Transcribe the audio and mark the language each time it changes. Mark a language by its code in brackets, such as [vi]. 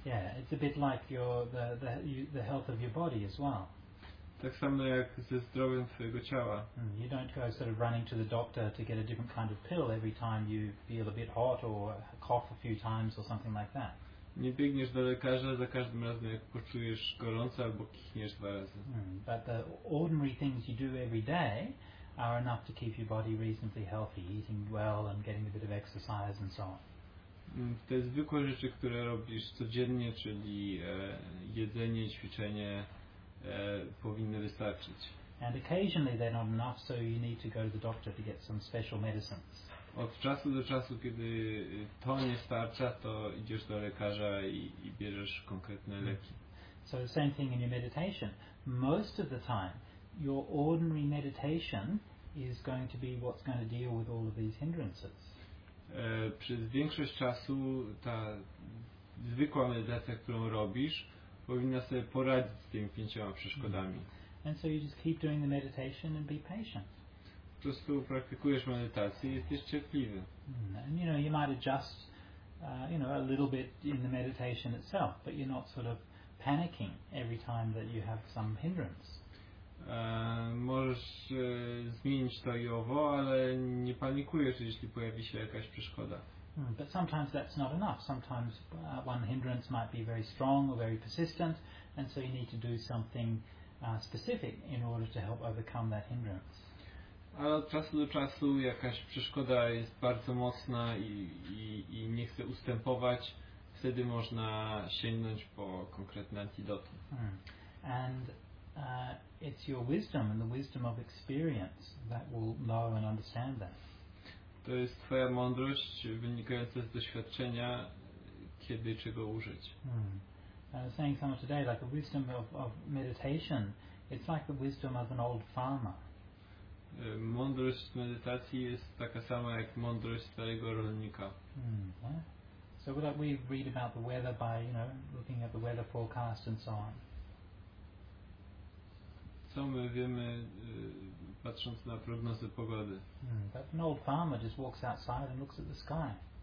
[en] Yeah, it's a bit like the health of your body as well. [pl] Tak samo jak ze zdrowiem twojego ciała. [en] You don't go sort of running to the doctor to get a different kind of pill every time you feel a bit hot or cough a few times or something like that. [pl] Nie biegniesz do lekarza za każdym razem, jak poczujesz gorąco albo kichniesz dwa razy. [en] But the ordinary things you do every day are enough to keep your body reasonably healthy, eating well and getting a bit of exercise and so on. [pl] Te zwykłe rzeczy, które robisz codziennie, czyli jedzenie, ćwiczenie, powinny wystarczyć. [en] And occasionally they're not enough, so you need to go to the doctor to get some special medicines. [pl] Od czasu do czasu, kiedy to nie starcza, to idziesz do lekarza i bierzesz konkretne leki. [en] So the same thing in your meditation. Most of the time, your ordinary meditation is going to be what's going to deal with all of these hindrances. [pl] Przez większość czasu ta zwykła medytacja, którą robisz, powinna sobie poradzić z tymi pięcioma przeszkodami. [en] And so you just keep doing the meditation and be patient. [pl] Po prostu praktykujesz medytację i jesteś cierpliwy. [en] And you know, you might adjust a little bit in the meditation itself, but you're not sort of panicking every time that you have some hindrance. [pl] Możesz zmienić to i owo, ale nie panikujesz, jeśli pojawi się jakaś przeszkoda. [en] But sometimes that's not enough. Sometimes one hindrance might be very strong or very persistent, and so you need to do something specific in order to help overcome that hindrance. [pl] Ale od czasu do czasu jakaś przeszkoda jest bardzo mocna i nie chce ustępować, wtedy można sięgnąć po konkretne antidotum. [en] And it's your wisdom and the wisdom of experience that will know and understand that. [pl] To jest twoja mądrość wynikająca z doświadczenia, kiedy czego użyć. [en] I was saying somewhere today, like the wisdom of meditation, it's like the wisdom of an old farmer. [pl] mądrość medytacji jest taka sama jak mądrość starego rolnika. [en] So what we read about the weather by, you know, looking at the weather forecast and so on. [pl] Co my wiemy, patrząc na prognozę pogody? [en] But an old farmer just walks outside and looks at the sky.